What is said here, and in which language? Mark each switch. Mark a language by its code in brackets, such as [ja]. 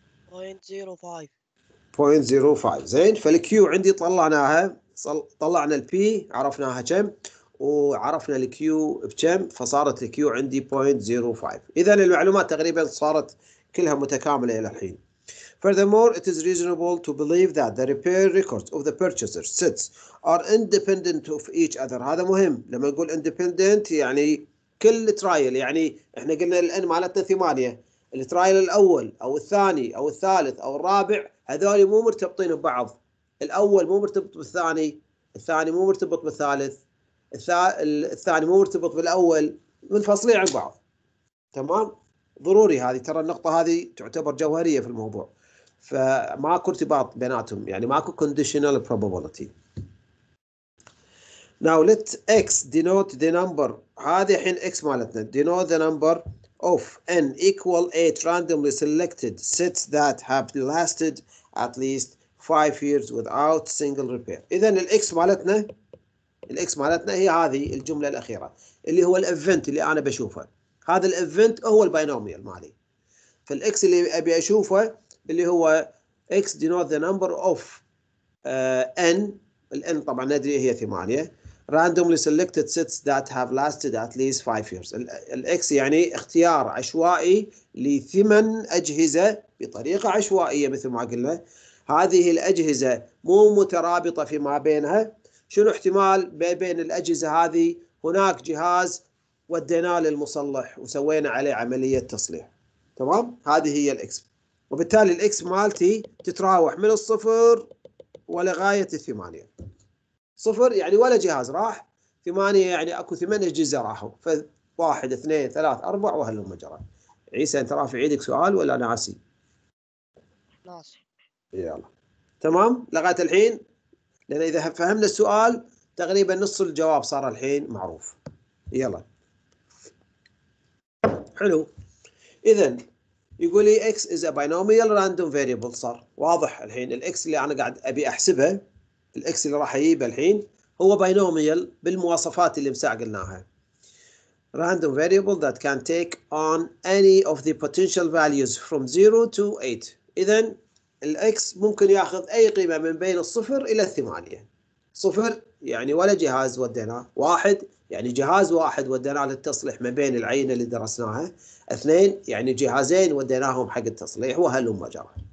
[ar] 0.05. 0.05 زين، فالكيو عندي طلعناها، طلعنا البي عرفناها كم وعرفنا الكيو بكم، فصارت الكيو عندي 0.05. إذن المعلومات تقريبا صارت كلها متكاملة إلى الحين. [en] Furthermore, it is reasonable to believe that the repair records of the purchaser sets are independent of each other. [ar] هذا مهم، لما نقول independent يعني كل ترايل، يعني احنا قلنا الان مالتنا 8، الترايل الأول أو الثاني أو الثالث أو الرابع هذول مو مرتبطين ببعض، الأول مو مرتبط بالثاني، الثاني مو مرتبط بالثالث، الثاني مو مرتبط بالأول، منفصلين عن بعض. تمام، ضروري هذه، ترى النقطة هذه تعتبر جوهرية في الموضوع، فماكو ارتباط بيناتهم، يعني ماكو conditional probability. [en] Now let x denote the number، [ar] هذه حين x مالتنا [en] denote the number of n equal 8 randomly selected sets that have lasted at least 5 years without single repair. [ar] إذن الإكس مالتنا هي هذه الجملة الأخيرة اللي هو الإفنت اللي أنا بشوفه، هذا الإفنت هو البينوميال مالي. فالإكس اللي أبي أشوفه اللي هو [en] X denote the number of N، [ar] الN طبعا ندري هي 8، [en] randomly selected sets that have lasted at least 5 years. [ar] الإكس يعني اختيار عشوائي لثمن أجهزة بطريقة عشوائية مثل ما قلنا، هذه الأجهزة مو مترابطة فيما بينها، شنو احتمال ما بين الأجهزة هذه هناك جهاز وديناه للمصلح وسوينا عليه عملية تصليح. تمام، هذه هي الإكس، وبالتالي الإكس مالتي تتراوح من الصفر ولغاية الثمانية. صفر يعني ولا جهاز راح، ثمانية يعني أكو ثمان أجهزة راحوا، فواحد اثنين ثلاث أربع وهل المجرى. عيسى أنت رافع يدك سؤال ولا أنا عسي؟ ناصر يلا تمام لغاية الحين، لأن إذا فهمنا السؤال تقريبا نص الجواب صار الحين معروف. يلا حلو، إذن يقول لي [en] X is a binomial random variable، [ar] صار واضح الحين الX اللي أنا قاعد أبي أحسبها، الإكس اللي راح أجيبه الحين هو binomial بالمواصفات اللي مساع قلناها. [en] Random variable that can take on any of the potential values from 0 to 8. [ar] إذن الإكس ممكن ياخذ أي قيمة من بين الصفر إلى الثمانية. صفر يعني ولا جهاز ودينا، واحد يعني جهاز واحد ودينا للتصليح من بين العينة اللي درسناها، اثنين يعني جهازين وديناهم حق التصليح وهل هم جرى.